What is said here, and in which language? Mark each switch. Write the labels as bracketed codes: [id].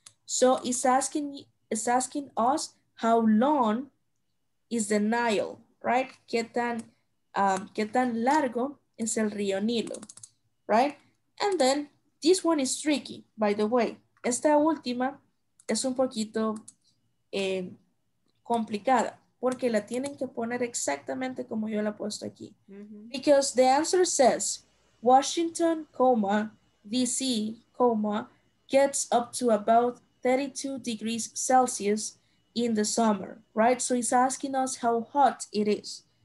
[en] So it's asking us how long is the Nile, right? [es] ¿Qué tan largo es el río Nilo? Right? [en] And then this one is tricky, by the way. [es] Esta última es un poquito complicada porque la tienen que poner exactamente como yo la he puesto aquí. Mm-hmm. [en] Because the answer says, Washington, D.C., gets up to about 32 degrees Celsius in the summer, right? So it's asking us how hot it is.